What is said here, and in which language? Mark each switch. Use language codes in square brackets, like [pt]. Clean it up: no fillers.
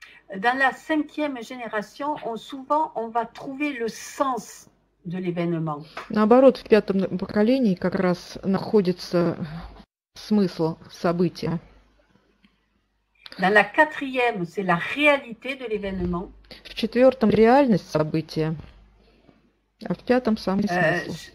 [fr] Dans la cinquième génération, on va trouver le sens de l'événement. [ru] Наоборот, в пятом поколении как раз находится смысл события. [fr] Dans la quatrième, c'est la réalité de l'événement. [ru] В четвертом – реальность события, а в пятом – сам смысл.